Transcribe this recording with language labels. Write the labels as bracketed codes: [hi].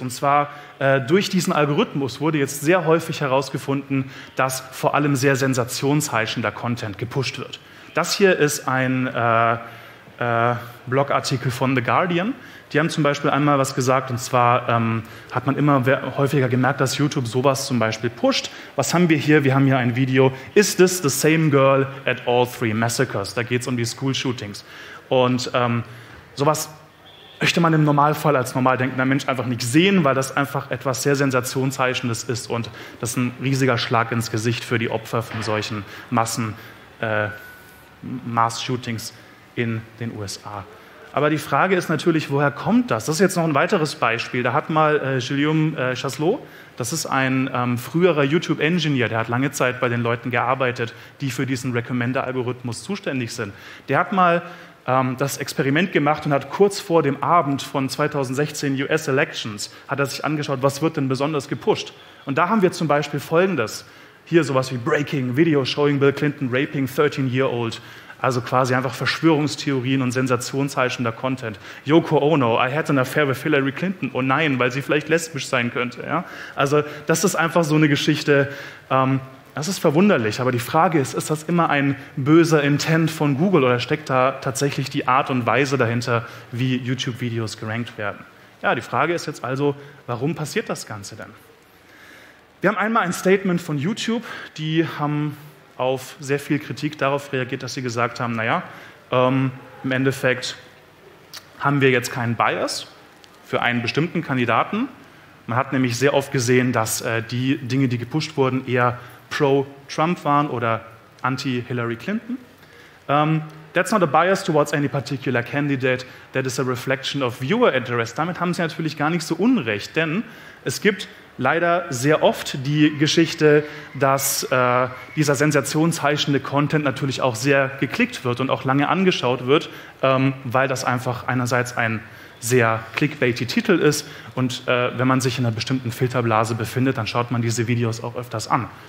[de] Und zwar durch diesen Algorithmus wurde jetzt sehr häufig herausgefunden, dass vor allem sehr sensationsheischender Content gepusht wird. Das hier ist ein Blogartikel von The Guardian. Die haben zum Beispiel einmal was gesagt, und zwar hat man immer häufiger gemerkt, dass YouTube sowas zum Beispiel pusht. Was haben wir hier? Wir haben hier ein Video. [en] Is this the same girl at all three massacres? [de] Da geht es um die School Shootings. Und sowas möchte man im Normalfall als normal denkender Mensch einfach nicht sehen, weil das einfach etwas sehr Sensationsheischendes ist und das ein riesiger Schlag ins Gesicht für die Opfer von solchen Mass-Shootings in den USA. Aber die Frage ist natürlich, woher kommt das? Das ist jetzt noch ein weiteres Beispiel. Da hat mal Guillaume Chasselot, das ist ein früherer YouTube-Engineer, der hat lange Zeit bei den Leuten gearbeitet, die für diesen Recommender-Algorithmus zuständig sind. Der hat mal das Experiment gemacht und hat kurz vor dem Abend von 2016 US Elections, hat er sich angeschaut, was wird denn besonders gepusht. Und da haben wir zum Beispiel Folgendes. Hier sowas wie Breaking, [en] Video showing Bill Clinton raping 13-year-old. [de] Also quasi einfach Verschwörungstheorien und sensationsheischender Content. [en] Yoko Ono, I had an affair with Hillary Clinton. [de] Oh nein, weil sie vielleicht lesbisch sein könnte. Ja? Also das ist einfach so eine Geschichte. Das ist verwunderlich, aber die Frage ist, ist das immer ein böser Intent von Google oder steckt da tatsächlich die Art und Weise dahinter, wie YouTube-Videos gerankt werden? Ja, die Frage ist jetzt also, warum passiert das Ganze denn? Wir haben einmal ein Statement von YouTube, die haben auf sehr viel Kritik darauf reagiert, dass sie gesagt haben, naja, im Endeffekt haben wir jetzt keinen Bias für einen bestimmten Kandidaten. Man hat nämlich sehr oft gesehen, dass die Dinge, die gepusht wurden, eher pro-Trump waren oder anti-Hillary Clinton. [en] That's not a bias towards any particular candidate. That is a reflection of viewer interest. [de] Damit haben Sie natürlich gar nicht so unrecht, denn es gibt leider sehr oft die Geschichte, dass dieser sensationsheischende Content natürlich auch sehr geklickt wird und auch lange angeschaut wird, weil das einfach einerseits ein sehr clickbaity Titel ist und wenn man sich in einer bestimmten Filterblase befindet, dann schaut man diese Videos auch öfters an.